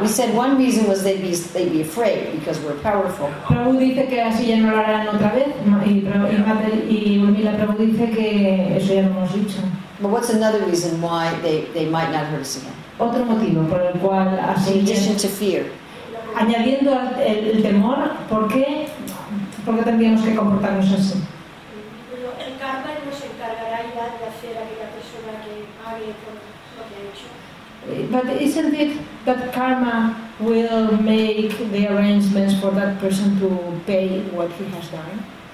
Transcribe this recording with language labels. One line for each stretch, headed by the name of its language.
English: We said one reason was they'd be afraid because we're powerful.
Spanish: Prabhu dice que así ya no lo harán otra vez. Y Urmila Prabhu dice que eso ya no hemos dicho.
English: But what's another reason why they might not hurt us again?
Spanish: Otro motivo por el cual así.
English: In addition to fear.
Spanish: Añadiendo el temor, ¿por qué? ¿Por qué tendríamos que comportarnos así? El karma no se encargará ya de hacer a aquella persona que pague por lo que ha hecho.
English: But isn't it that karma will make the arrangements for that person to pay what he has done?